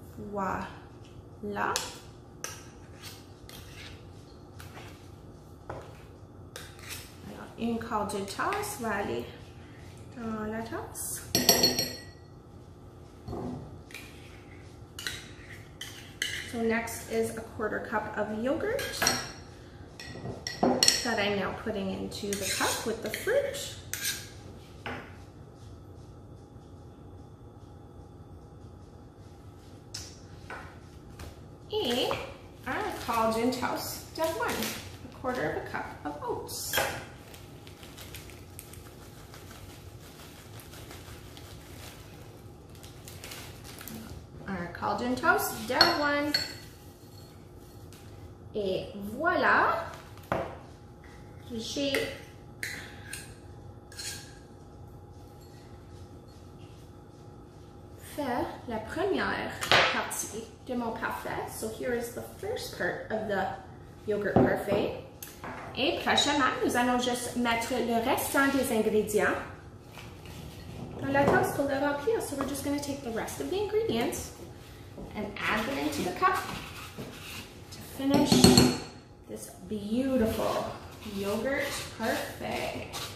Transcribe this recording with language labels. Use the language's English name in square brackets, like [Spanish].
[French] Voilà. Alors, un quart d'une tasse va aller dans la tasse. [English] So next is a quarter cup of yogurt that I'm now putting into the cup with the fruit. [French] Et un quart d'une tasse d'avoine. [English] quarter of a cup of oats. Our cauldron toast, done one. [French] Et voilà. J'ai fait la première partie de mon parfait. [English] So here is the first part of the yogurt parfait. [French] Et prochainement, nous allons juste mettre le restant des ingrédients dans la tasse pour le remplir. [English] So we're just going to take the rest of the ingredients and add them into the cup to finish this beautiful yogurt parfait.